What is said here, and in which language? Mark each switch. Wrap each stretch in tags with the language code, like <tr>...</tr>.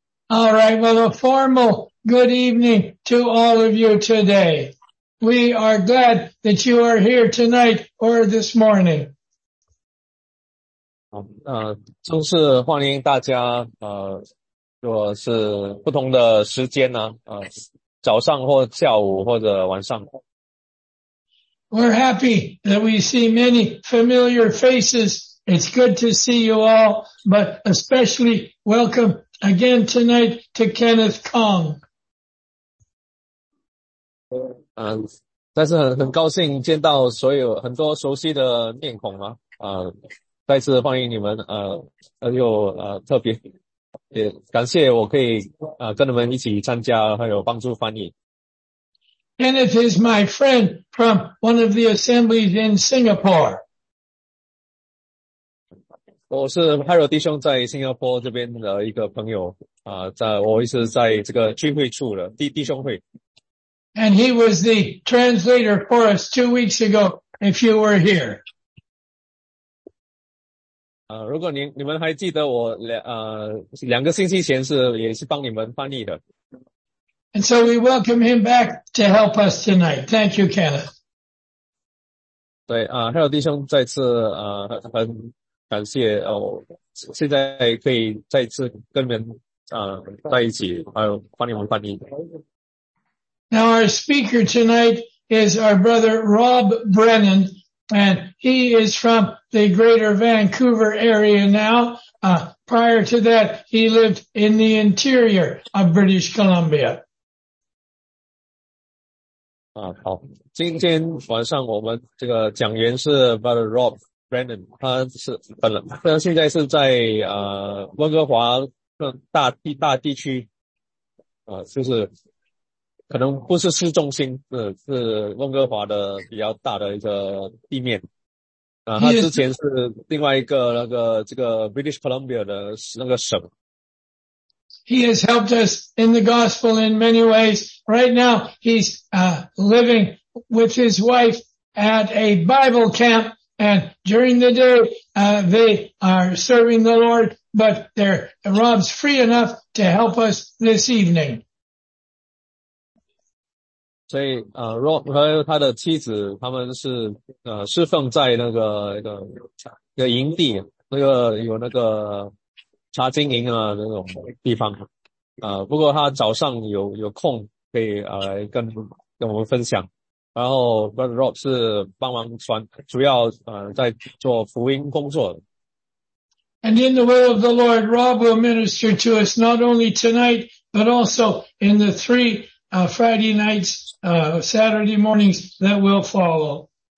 <en>All right, well, a formal good evening to all of you today. We are glad that you are here tonight or this morning.</en> <zh>就是欢迎大家如果是不同的时间呢早上或下午或者晚上。</zh> <en>We're happy that we see many familiar faces. It's good to see you all, but especially welcome again tonight to Kenneth Kong.</en> <zh>但是很高兴见到所有很多熟悉的面孔啊再次欢迎你们特别也感谢我可以跟你们一起参加还有帮助翻译。</zh> <en>Kenneth is my friend from one of the assemblies in Singapore.</en> <zh>我是 Harry 弟兄在新加坡这边的一个朋友我也是在这个聚会处的弟兄会。</zh> <en>And he was the translator for us 2 weeks ago, if you were here.</en> <zh>如果你们还记得我两个星期前也是帮你们翻译的。</zh> <en>And so we welcome him back to help us tonight. Thank you, Kenneth.</en> <zh>对还有弟兄再次很感谢现在可以再次跟你们在一起帮你们翻译。</zh> <en>Now our speaker tonight is our brother Rob Brennan, and he is from the greater Vancouver area now. Prior to that, he lived in the interior of British Columbia.</en> <zh>好，今天晚上我们这个讲员是 Brother Rob Brennan, 他是本人，现在是在温哥华大地区，就是可能不是市中心，是温哥华的比较大的一个地面。他之前是另外一个那个这个 British Columbia 的那个省。</zh> <en>He has helped us in the gospel in many ways. Right now, he's living with his wife at a Bible camp, and during the day, they are serving the Lord, but Rob's free enough to help us this evening.</en> <zh>所以Rob 和他的妻子他们是侍奉在那个一个营地那个有那个查经营啊那种地方。不过他早上有空可以来跟我们分享。然后 Brother Rob 是帮忙主要在做福音工作的。</zh> <en>And in the will of the Lord, Rob will minister to us not only tonight, but also in the three Friday nights, Saturday mornings that will follow.</en>